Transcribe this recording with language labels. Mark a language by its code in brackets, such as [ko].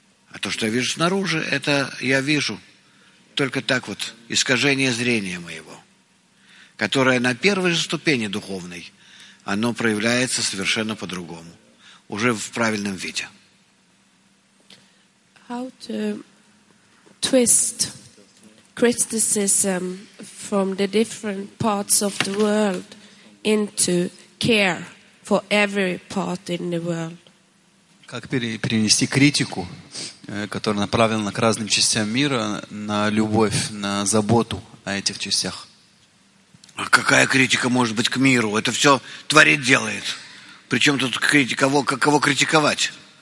[ru] А то, что я вижу снаружи, это я вижу только так вот, искажение зрения моего, которое на первой же ступени духовной, оно проявляется совершенно по-другому, уже в правильном виде. [en] How to twist criticism from the different parts of the world into care for every part in the world? [ru] Как перенести критику, которая направлена к разным частям мира, на любовь, на заботу о этих частях? А какая критика может быть к миру? Это все творит, делает. Причем тут кого критиковать?